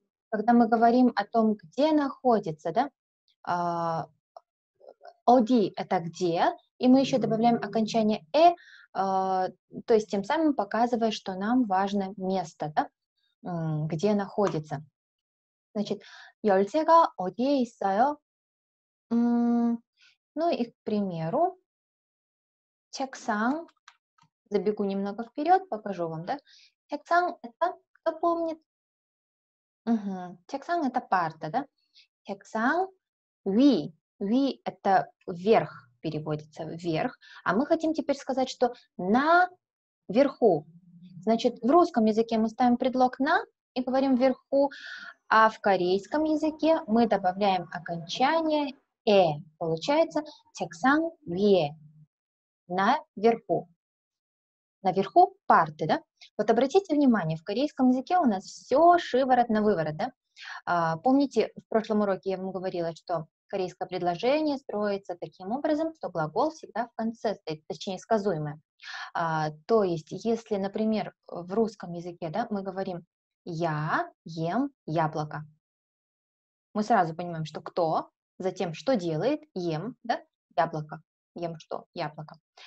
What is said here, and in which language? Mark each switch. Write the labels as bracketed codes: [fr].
[ru] Когда мы говорим о том, где находится, да, «оди» – это «где», и мы еще добавляем окончание «э», то есть тем самым показывая, что нам важно место, да, где находится. Значит, [ko] 열쇠가 어디에 있어요? [ru] Ну и, к примеру, 책상, забегу немного вперед, покажу вам, да. 책상 – это, кто помнит? 책상 – это парта, да. 책상 – ви. Ви – это вверх. Переводится вверх, а мы хотим теперь сказать, что на верху. Значит, в русском языке мы ставим предлог на и говорим вверху, а в корейском языке мы добавляем окончание э. Получается, [ko] 책상 위에. [ru] На верху. На верху парты, да? Вот обратите внимание, в корейском языке у нас все шиворот на выворот, да? Помните, в прошлом уроке я вам говорила, что корейское предложение строится таким образом, что глагол всегда в конце стоит, точнее, сказуемое. То есть, если, например, в русском языке, да, мы говорим «я ем яблоко», мы сразу понимаем, что кто, затем что делает, ем, да, яблоко, ем что, яблоко.